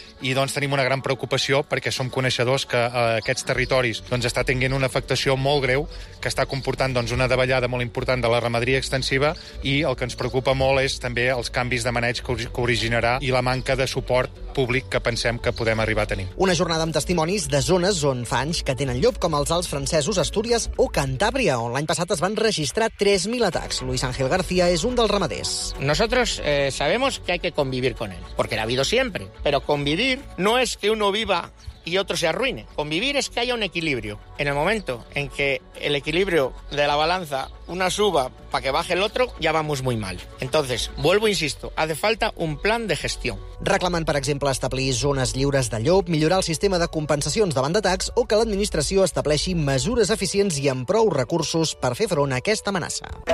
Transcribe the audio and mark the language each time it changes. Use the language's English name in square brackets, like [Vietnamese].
[Catalan] I doncs tenim una gran preocupació perquè som coneixedors que aquests territoris doncs està tenint una afectació molt greu que està comportant doncs una davallada molt important de la ramaderia extensiva, i el que ens preocupa molt és també els canvis de maneig que originarà i la manca de suport públic que pensem que podem arribar a tenir. Una jornada amb testimonis de zones on fa anys que tenen llop, com els Alts Francesos, Astúries o Cantàbria, on l'any passat es van registrar 3.000 atacs. Luis Ángel García és un dels ramaders. [Spanish] Nosotros sabemos que hay que convivir con él, porque la ha habido siempre, pero convivir no es que uno viva y otro se arruine. Convivir es que haya un equilibrio. En el momento en que el equilibrio de la balanza una suba para que baje el otro, ya vamos muy mal. Entonces, vuelvo, insisto, hace falta un plan de gestión. [Catalan] Reclamen, per exemple, establir zones lliures de llop, millorar el sistema de compensacions davant d'atacs o que l'administració estableixi mesures eficients i amb prou recursos per fer front a aquesta amenaça.